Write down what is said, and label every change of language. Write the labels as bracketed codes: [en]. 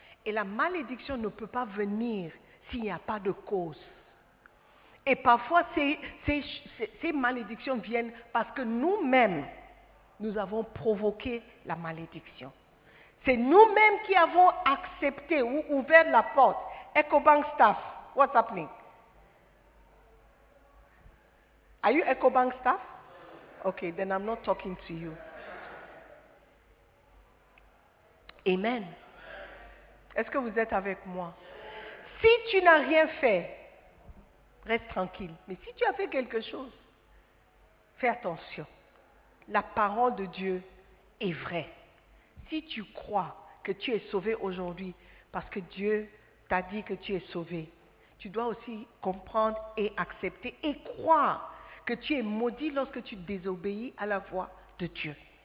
[fr] Et la malédiction ne peut pas venir s'il n'y a pas de cause. Et parfois, ces malédictions viennent parce que nous-mêmes, nous avons provoqué la malédiction. C'est nous-mêmes qui avons accepté ou ouvert la porte. [en] EcoBank staff, what's happening? Are you EcoBank staff? Okay, then I'm not talking to you. Amen. [fr] Est-ce que vous êtes avec moi? Si tu n'as rien fait, reste tranquille. Mais si tu as fait quelque chose, fais attention. La parole de Dieu est vraie. Si tu crois que tu es sauvé aujourd'hui parce que Dieu t'a dit que tu es sauvé, tu dois aussi comprendre et accepter et croire que tu es maudit lorsque tu désobéis à la voix de Dieu.